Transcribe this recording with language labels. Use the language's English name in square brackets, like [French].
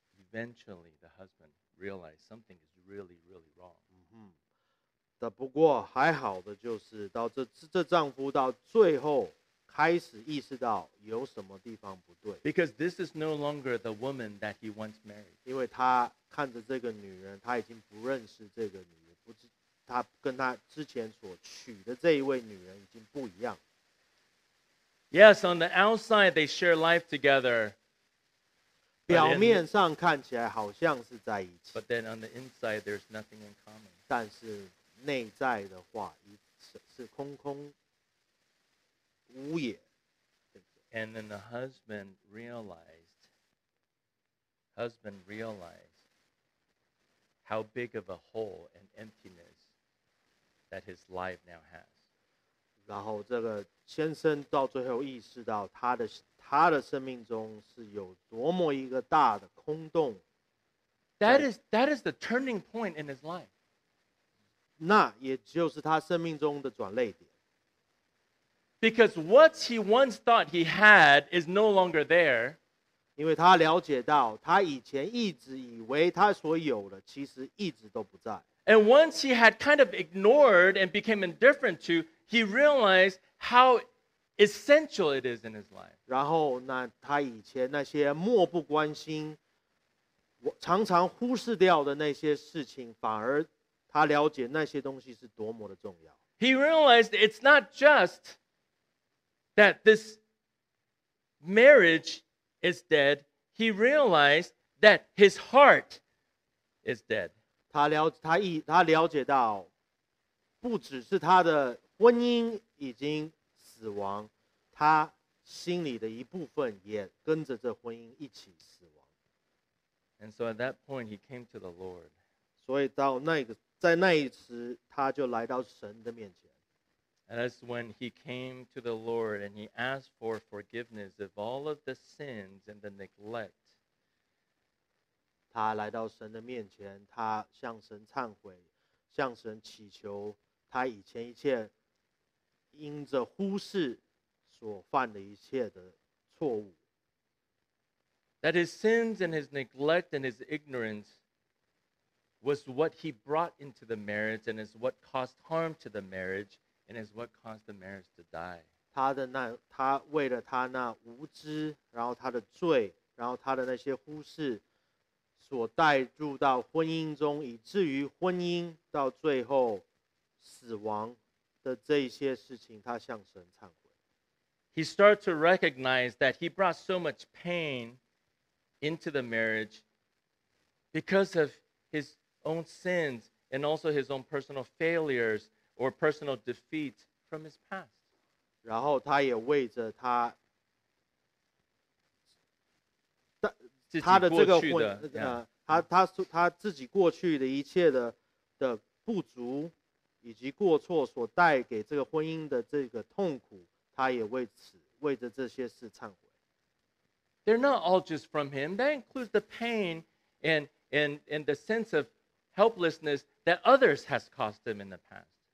[English] Eventually the husband realized something is really, really wrong. [Chinese] 不过还好的就是到 这丈夫到最后开始意识到有什么地方不对。 [English] Because this is no longer the woman that he once married. [Chinese] 因为他看着这个女人，他已经不认识这个女人，不知他跟他之前所娶的这一位女人已经不一样。 [English] Yes, on the outside they share life together. [Chinese] 表面上看起来好像是在一起。 [English] But then on the inside there's nothing in common. [Chinese] 但是内在的话是空空。 [English] And then the husband realized how big of a hole and emptiness that his life now has. [Chinese] 然后这个先生到最后意识到他的生命中是有多么一个大的空洞。 [English] That is the turning point in his life. [Chinese] 那也就是他生命中的转捩点。 [English] Because what he once thought he had is no longer there. [Chinese] 因为他了解到他以前一直以为他所有的其实一直都不在。 [English] And once he had kind of ignored and became indifferent to, he realized how essential it is in his life. [Chinese] 然后那他以前那些漠不关心常常忽视掉的那些事情反而他了解那些东西是多么的重要。 [English] He realized it's not justthat this marriage is dead, he realized that his heart is dead. [Chinese] 他了解到不只是他的婚姻已经死亡，他心里的一部分也跟着这婚姻一起死亡。 [English] And so at that point, he came to the Lord. [Chinese] 所以到那个，在那一次，他就来到神的面前。 [English] And that's when he came to the Lord and he asked for forgiveness of all of the sins and the neglect. [Chinese] 他来到神的面前，他向神忏悔，向神祈求他以前一切因着忽视所犯的一切的错误。 [English] That his sins and his neglect and his ignorance was what he brought into the marriage and is what caused harm to the marriage. And is what caused the marriage to die. [Chinese] 他为了他那无知，然后他的罪，然后他的那些忽视，所带入到婚姻中，以至于婚姻到最后死亡的这些事情，他向神忏悔。 [English] He started to recognize that he brought so much pain into the marriage because of his own sins and also his own personal failures. Or personal defeat from his past. [Chinese] 然后他也为着他，他的这个婚，他自己过去的一切的不足，以及过错所带给这个婚姻的这个痛苦，他也为着这些事忏悔。 [English] They're not all just from him. That includes the pain and the sense of helplessness that others has caused him in the past.